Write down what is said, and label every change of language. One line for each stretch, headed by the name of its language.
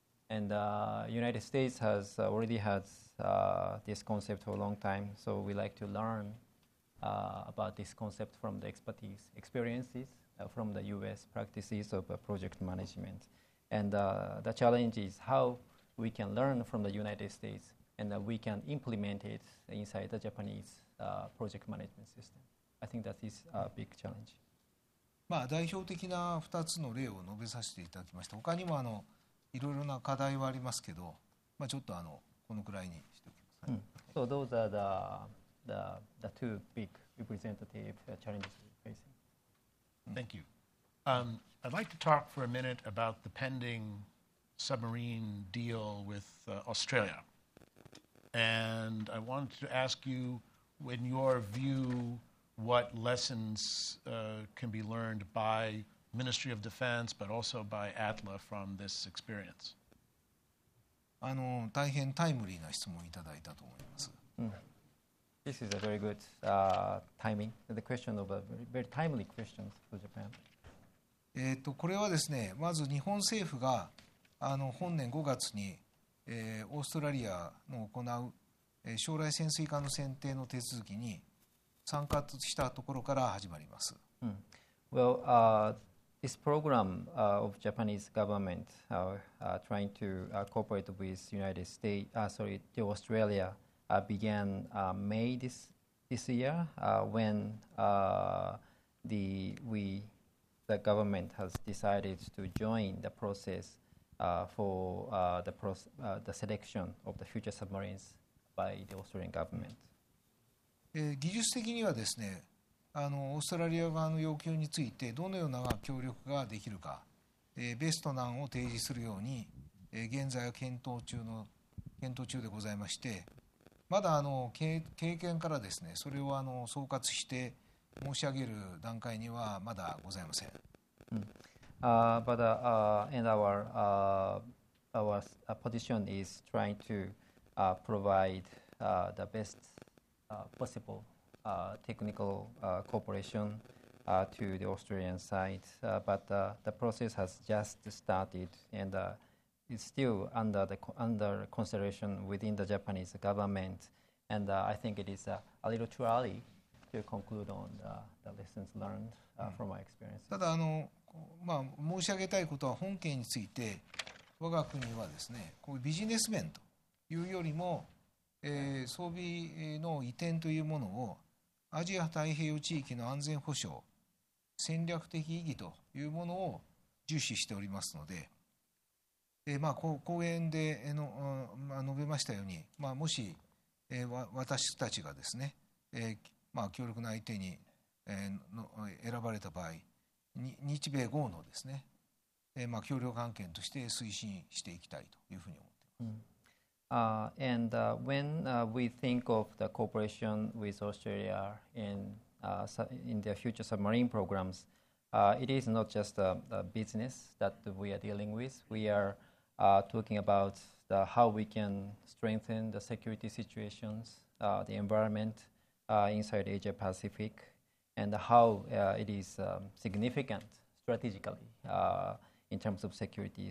English: And the United States has already had this concept for a long time, so we like to learn about this concept from the expertise, experiences from the U.S. practices of project management. And the challenge is how we can learn from the United States and that we can implement it inside the Japanese project management system. I think that is a big challenge.
Japanese: まあ代表的な2つの例を述べさせていただきました。他にもいろいろな課題はありますけど、まあ、ちょっとこのくらいにしておきます。
English: So those are the two big representative challenges we're facing. Thank you. I'd like to talk for a minute about the pending submarine deal with Australia. And I wanted to ask you, in your view, what lessons can be learned by Ministry of Defense, but also by ATLA from this experience.
Japanese: 大変タイムリーな質問をいただいたと思います。
English: This is a very good timing. The question of a very, very timely question for Japan.
Japanese: これはですね、まず日本政府が本年5月に、オーストラリアの行う、将来潜水艦の選定の手続きに参加したところから始まります。
English: Well, This program of Japanese government trying to cooperate with United States, to Australia, began May this year when the government has decided to join the process for the selection of the future submarines by the Australian government.
Japanese: 技術的にはですね。オーストラリア側の要求についてどのような協力ができるか、ベストな案を提示するように、現在は検討中でございまして、まだ経験からですね、それを総括して申し上げる段階にはまだございません。
English: But and our position is trying to provide the best possibleTechnical cooperation to the Australian side, but the process has just started and is still under consideration within the Japanese government. And I think it is a little too early to conclude on the lessons learned from my experience.
Japanese: ただ申し上げたいことは、本件について我が国はですね、こういうビジネス面というよりも、装備の移転というものをアジア太平洋地域の安全保障、戦略的意義というものを重視しておりますので、まあ、講演で述べましたように、まあ、もし私たちがですね、まあ、強力な相手に選ばれた場合、日米豪のですね、まあ、協力案件として推進していきたいというふうに思っています。
English: And when we think of the cooperation with Australia in their future submarine programs, it is not just a business that we are dealing with. We are talking about the, how we can strengthen the security situations, the environment inside Asia-Pacific, and how it is significant strategically in terms of security.